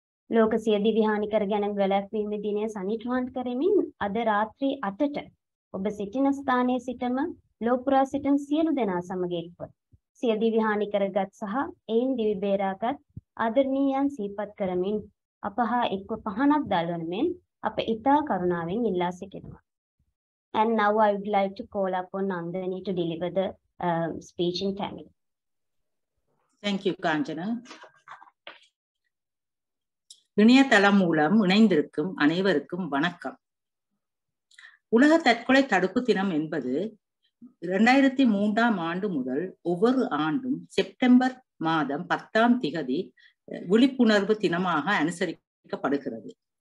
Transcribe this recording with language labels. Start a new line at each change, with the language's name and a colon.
Sinhala: ලෝක සිය දිවි හානි කර ගැන වැළැක්වීම දිනය සනිටුහන් කරමින් අද රාත්‍රී 8ට ඔබ සිටින ස්ථානයේ සිටම ලෝපුරා සිටින් සියලු දෙනා සමග එක්ව සිය දිවි හානි කරගත් සහ එයින් දිවි බේරාගත් ආදරණීයන් සිහිපත් කරමින් අපහා එක්ව පහනක් දල්වන මෙන් අප ඉතා කරුණාවෙන් ඉල්ලා සිටිනවා.
English: And now I would like to call upon Nandini to deliver the speech in Tamil. Thank you, Kanjana.
Tamil: இனிய தலம் மூலம் இணைந்திருக்கும் அனைவருக்கும் வணக்கம். உலக தற்கொலை தடுப்பு தினம் என்பது 2003 முதல் ஒவ்வொரு ஆண்டும் செப்டம்பர் மாதம் 10 திகதி விழிப்புணர்வு தினமாக அனுசரிக்கப்படுகிறது.